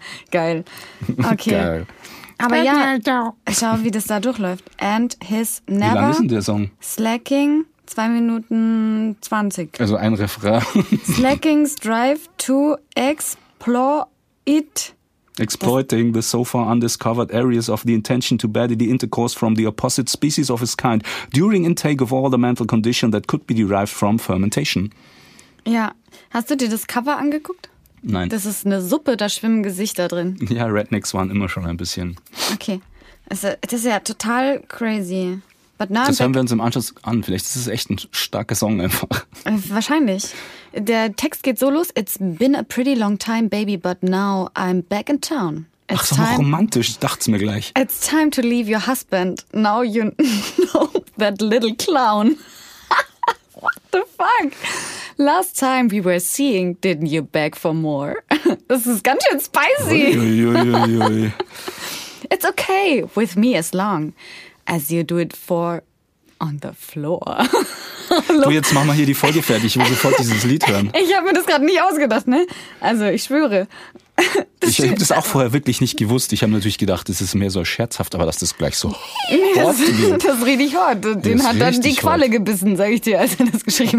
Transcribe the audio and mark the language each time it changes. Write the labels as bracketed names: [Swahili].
[German] Geil. Okay. Geil. Aber ja, schau, wie das da durchläuft. [English] And his never. [German] Wie lang ist denn der Song? Slacking 2 Minuten 20. Also ein Refrain. [English] Slacking's drive to exploit. Exploiting the so far undiscovered areas of the intention to bodily intercourse from the opposite species of his kind during intake of all the mental condition that could be derived from fermentation. [German] Ja, hast du dir das Cover angeguckt? Nein. Das ist eine Suppe, da schwimmen Gesichter drin. Ja, Rednecks waren immer schon ein bisschen. Okay, also, das ist ja total crazy. [English] But [German] now das hören wir uns im Anschluss an, vielleicht ist es echt ein starker Song einfach. Wahrscheinlich. Der Text geht so los. [English] It's been a pretty long time, baby, but now I'm back in town. It's [German] ach, ist doch romantisch. Dachte es mir gleich. [English] It's time to leave your husband. Now you know that little clown. What the fuck? Last time we were seeing, didn't you beg for more? [German] Das ist ganz schön spicy. Uiuiuiui. [English] It's okay with me as long as you do it for on the floor. [German] Du, jetzt machen wir hier die Folge fertig. Ich will sofort dieses Lied hören. Ich habe mir das gerade nicht ausgedacht, ne? Also, ich schwöre. Ich habe das auch vorher wirklich nicht gewusst. Ich habe natürlich gedacht, es ist mehr so scherzhaft, aber dass das gleich so das, das ist richtig hart. Den hat dann die Qualle gebissen, sage ich dir, als er das geschrieben